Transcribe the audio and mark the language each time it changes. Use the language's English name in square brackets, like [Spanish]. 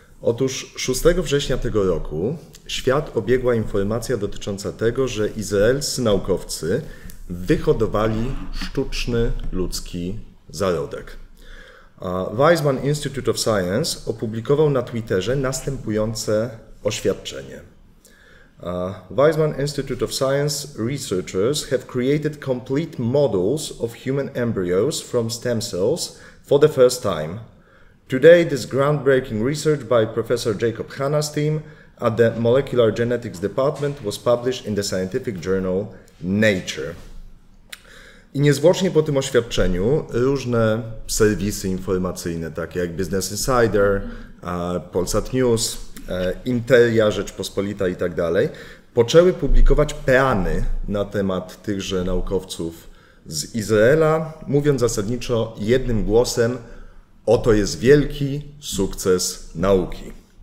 [Polish] Otóż 6 września tego roku świat obiegła informacja dotycząca tego, że izraelscy naukowcy wyhodowali sztuczny ludzki zarodek. Weizmann Institute of Science opublikował na Twitterze następujące oświadczenie. [English] Weizmann Institute of Science researchers have created complete models of human embryos from stem cells for the first time. Today, this groundbreaking research by Professor Jacob Hanna's team at the Molecular Genetics Department was published in the scientific journal Nature. [Polish] I niezwłocznie po tym oświadczeniu różne serwisy informacyjne, takie jak Business Insider, Polsat News, Interia, Rzeczpospolita i tak dalej, poczęły publikować peany na temat tychże naukowców z Izraela, mówiąc zasadniczo jednym głosem: oto jest wielki sukces nauki.